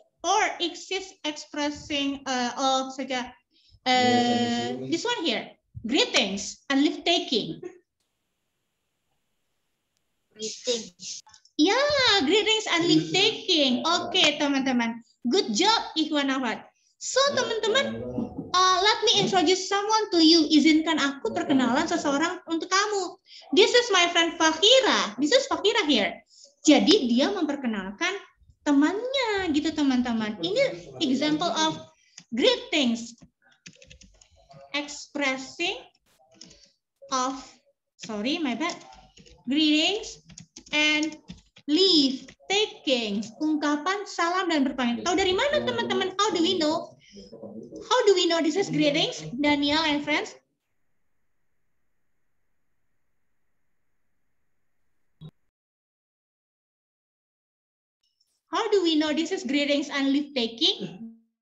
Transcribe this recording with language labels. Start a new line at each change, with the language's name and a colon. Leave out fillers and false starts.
English: Or is it expressing of such a, this one here. Greetings and leave-taking. Greetings. Yeah, greetings and leave-taking. Okay, teman-teman. Good job, Ikhwan Awad. So, teman-teman, let me introduce someone to you.
Indonesian: Izinkan aku perkenalan seseorang untuk kamu.
English: This is my friend Fahira. This is Fahira here.
Indonesian: Jadi, dia memperkenalkan temannya gitu, teman-teman. Ini
English: example of greetings. Expressing of, sorry, my bad. Greetings and leave taking.
Indonesian: Ungkapan salam dan berpamit. Tahu dari mana, teman-teman?
English: How do we know? How do we know this is greetings, Daniel and friends? How do we know this is greetings and leave taking?